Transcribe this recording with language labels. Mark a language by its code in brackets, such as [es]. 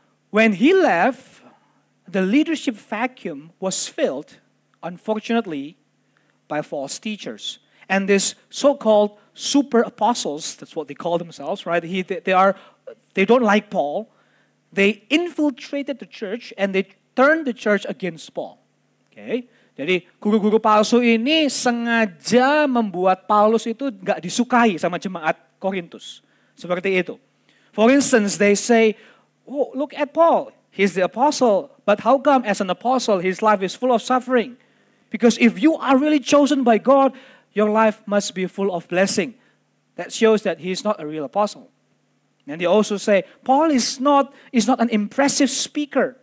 [en] When he left, the leadership vacuum was filled, unfortunately, by false teachers. And these so-called super apostles, that's what they call themselves, right? They don't like Paul. They infiltrated the church and they turned the church against Paul. Okay? [id] Jadi guru-guru palsu ini sengaja membuat Paulus itu gak disukai sama jemaat Korintus. Seperti itu. [en] For instance, they say, oh, look at Paul. He's the apostle. But how come as an apostle, his life is full of suffering? Because if you are really chosen by God, your life must be full of blessing. That shows that he's not a real apostle. And they also say, Paul is not an impressive speaker.